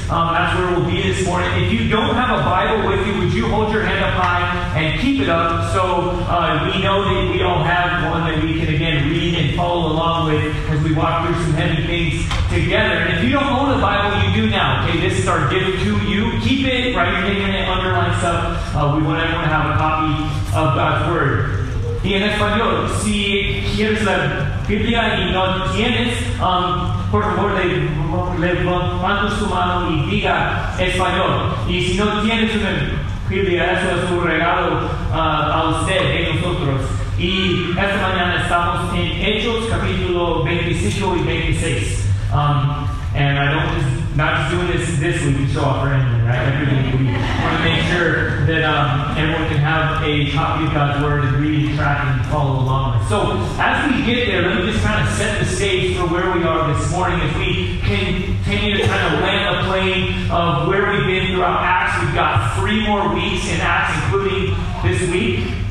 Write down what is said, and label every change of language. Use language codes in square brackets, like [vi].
[en] That's where we'll be this morning. If you don't have a Bible with you, would you hold your hand up high and keep it up so we know that we all have one that we can, again, read and follow along with as we walk through some heavy things together. And if you don't own a Bible, you do now. Okay, this is our gift to you. Keep it, write your name in it, underline stuff. We want everyone to have a copy of God's Word. [es] Y en español, si quieres la Biblia y no tienes, por favor, levanta su mano y diga español. Y si no tienes una Biblia, eso es un regalo a usted, a nosotros. Y esta mañana estamos en Hechos, capítulo 25 y 26. [en] And I don't just, not just doing this week to show off for anyone, right? Every week we want to make sure that everyone can have a copy of God's Word and read and track and follow along. So as we get there, let me just kind of set the stage for where we are this morning. If we continue to kind of land the plane of where we've been throughout Acts, we've got three more weeks in Acts, including this week.